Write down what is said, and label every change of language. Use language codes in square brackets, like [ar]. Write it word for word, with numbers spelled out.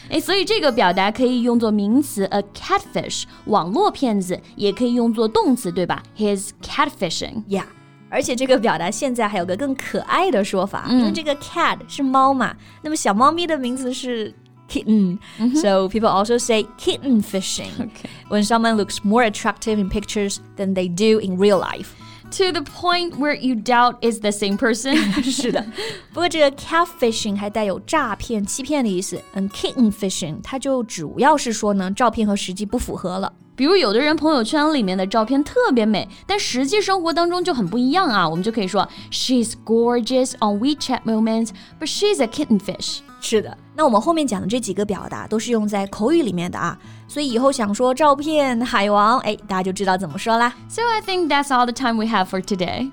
[zh] 诶，所以这个表达可以用作名词 a catfish, 网络骗子，也可以用作动词，对吧 ？ [en] He's catfishing. Yeah. [zh] 而且这个表达现在还有个更可爱的说法，因为这个 cat 是猫嘛，那么小猫咪的名字是。 [en] Kitten. Mm-hmm. So people also say kitten fishing. Okay. When someone looks more attractive in pictures than they do in real life. To the point where you doubt it's the same person. [zh] 是的。不过这个 catfishing 还带有诈骗、欺骗的意思。 And kitten fishing 它就主要是说呢，照片和实际不符合了。比如有的人朋友圈里面的照片特别美，但实际生活当中就很不一样啊。我们就可以说 [en] She's gorgeous on WeChat moments, but she's a kitten fish. [zh] 是的，那我们后面讲的这几个表达都是用在口语里面的啊，所以以后想说照片海王，哎，大家就知道怎么说啦。 [en] So I think that's all the time we have for today.